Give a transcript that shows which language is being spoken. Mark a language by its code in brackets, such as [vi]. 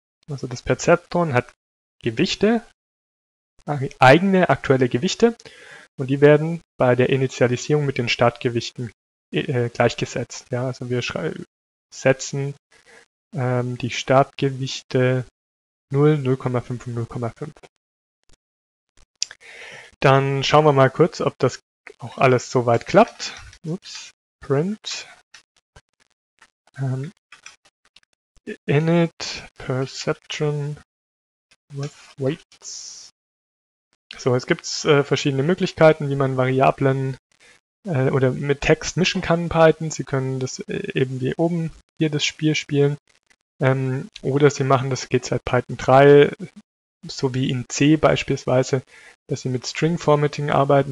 [de] Also das Perzeptron hat Gewichte, eigene aktuelle Gewichte, und die werden bei der Initialisierung mit den Startgewichten gleichgesetzt. Ja, also wir setzen die Startgewichte 0, 0,5 und 0,5. Dann schauen wir mal kurz, ob das auch alles soweit klappt. [en] Ups, print init perception with weights. [de] So, es gibt verschiedene Möglichkeiten, wie man Variablen oder mit Text mischen kann in Python. Sie können das eben wie oben hier das Spiel spielen. Oder Sie machen, das geht seit Python 3, so wie in C beispielsweise, dass Sie mit String Formatting arbeiten.